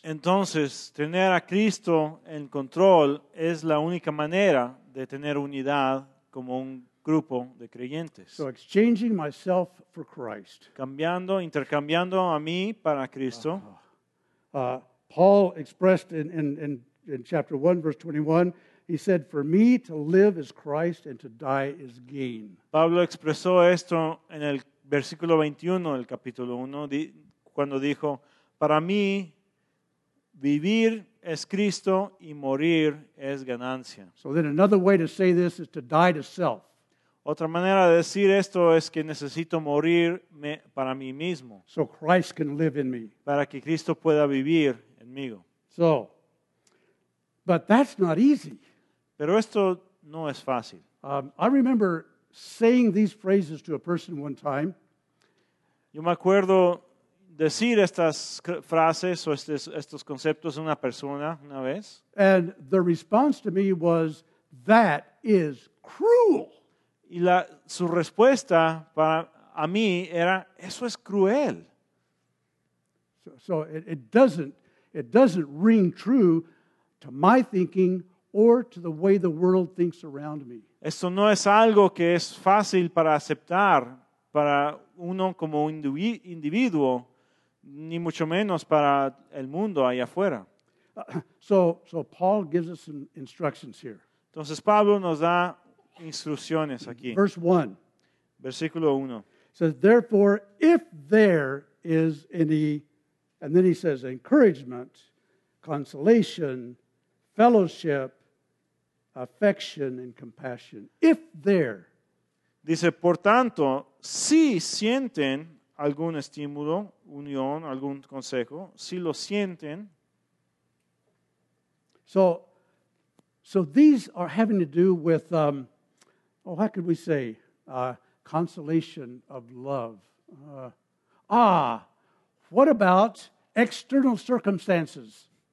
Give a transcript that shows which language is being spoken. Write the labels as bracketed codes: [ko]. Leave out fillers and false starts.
[es] Entonces, tener a Cristo en control es la única manera de tener unidad como un grupo de creyentes. [en] So exchanging myself for Christ. [es] Cambiando, intercambiando a mí para Cristo. [en] Paul expressed in chapter 1, verse 21, He said, "For me to live is Christ and to die is gain." [es] Pablo expresó esto en el versículo 21 del capítulo 1, cuando dijo, "Para mí vivir es Cristo y morir es ganancia." [en] So then another way to say this is to die to self. [es] Otra manera de decir esto es que necesito morir para mí mismo. [en] So Christ can live in me. [es] Para que Cristo pueda vivir en mí. [en] So, but that's not easy. [es] Pero esto no es fácil. [en] I remember saying these phrases to a person one time. [es] Yo me acuerdo decir estas frases o estos conceptos a una persona una vez. [en] And the response to me was, "That is cruel." [es] Y su respuesta a mí era, "Eso es cruel." [en] So it doesn't ring true to my thinking or to the way the world thinks around me. [es] Esto no es algo que es fácil para aceptar para uno como individuo, ni mucho menos para el mundo allá afuera. [en] So Paul gives us some instructions here. [es] Entonces Pablo nos da instrucciones aquí. [en] Verse 1. [es] Versículo 1. [en] Says, "Therefore, if there is any," and then he says, "encouragement, consolation, fellowship, affection, and compassion." If there. [es] Dice, "Por tanto, si sienten algún estímulo, unión, algún consejo, si lo sienten." [en] So these are having to do with, how could we say, consolation of love. What about external circumstances?